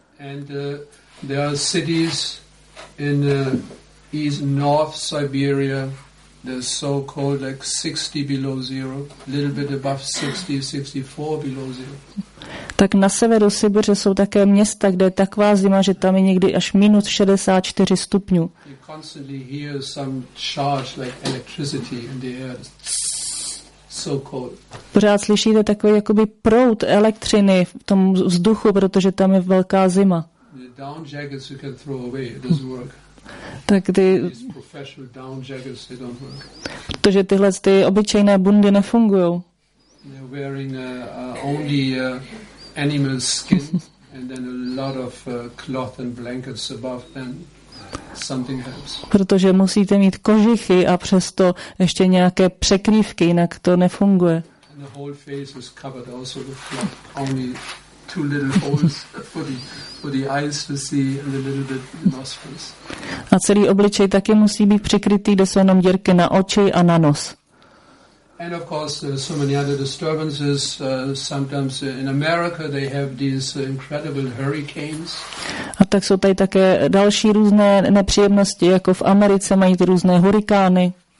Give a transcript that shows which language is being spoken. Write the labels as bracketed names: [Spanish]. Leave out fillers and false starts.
[English] And there are cities in east north Siberia, they're so cold, like 60 below zero, a little bit above 60, 64 below zero. [Czech] Tak na severu Sibiře jsou také města, kde je taková zima, že tam je někdy až minus 64 stupňů. [English] You constantly hear some charge like electricity in the air. So cold. [Czech] Pořád slyšíte takový jakoby proud elektřiny v tom vzduchu, protože tam je velká zima. [English] Down jackets you can throw away. It doesn't work. [Czech] Tak ty. [English] These professional down jackets, they don't work. [Czech] Protože tyhle ty obyčejné bundy nefungují. [English] They're wearing only animal skin and then a lot of cloth and blankets above them. Something helps. [Czech] Protože musíte mít kožichy a přesto ještě nějaké překrývky, jinak to nefunguje. [English] And the whole face is covered also with cloth. Only two little holes for the eyes to see and a little bit nostrils. [Czech] A celý obličej taky musí být přikrytý, kde jsou jenom dírky na oči a na nos. [English] And of course there are so many other disturbances. Sometimes in America they have these incredible hurricanes. [Czech] A tak jsou tady také další různé nepříjemnosti, jako v Americe mají ty různé hurikány.